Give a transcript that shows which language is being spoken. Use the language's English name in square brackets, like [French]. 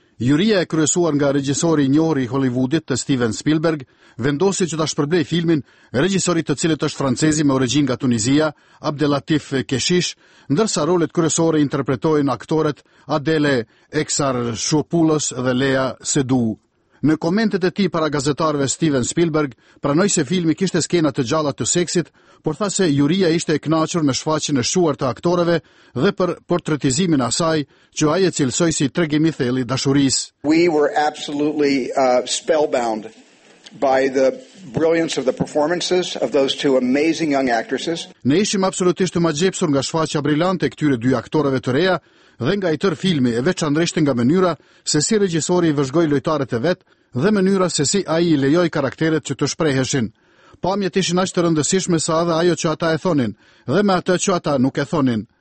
[Albanian] Juria e kryesuar nga regjisori i njohur i Hollywoodit, të Steven Spielberg, vendosi që ta shpërblej filmin regjisorit të cilit është francezi me origjinë nga Tunizia, Abdelatif Kechiche, ndërsa rolet kryesore interpretojnë aktoret Adele Exarchopoulos dhe Lea Seydoux. Në komentet e tij para gazetarëve, Steven Spielberg pranoi se filmi kishte skena të gjalla të seksit, por tha se juria ishte e kënaqur me shfaqjen e shuar të aktoreve dhe për portretizimin e asaj që ai e cilësoi si tregim i thellë i dashurisë. [English] We were absolutely spellbound by the brilliance of the performances of those two amazing young actresses. [Albanian] Ne ishim absolutisht të magjepsur nga shfaqja brillante e këtyre dy aktoreve të reja dhe nga i tërë filmi, e veçanërisht nga mënyra se si regjisori i vëzhgoi lojtarët e vet dhe mënyra se si ai i lejoi karakteret që të shpreheshin. Pamjet ishin aq të rëndësishme sa edhe ajo që ata e thonin dhe me atë që ata nuk e thonin.